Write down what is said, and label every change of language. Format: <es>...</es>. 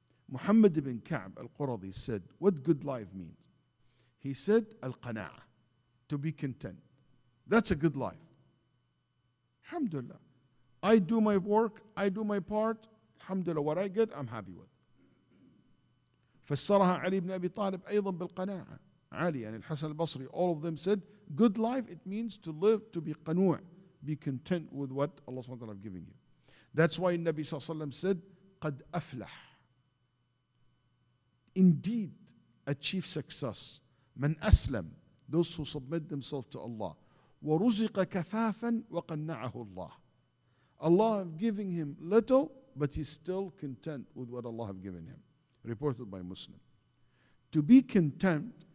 <en>Muhammad ibn Ka'b al-Quradi said, what good life means? He said, al-qana'a, to be content. That's a good life. Alhamdulillah. I do my work, I do my part, alhamdulillah, what I get, I'm happy with.</en> <ar>فسرها علي بن أبي طالب أيضا بالقناعة.</ar> <en>علي and الحسن البصري, all of them said, good life, it means to live, to be قنوع, be content with what Allah SWT has given you. That's why النبي صلى الله عليه وسلم said,</en> <ar>قد أفلح.</ar> <en>Indeed, achieve success.</en> <ar>من أسلم,</ar> <en>those who submit themselves to Allah.</en> <ar>ورزق كفافا وقنعه الله.</ar> <en>Allah have given him little, but he's still content with what Allah have given him. Reported by Muslim. To be content</en>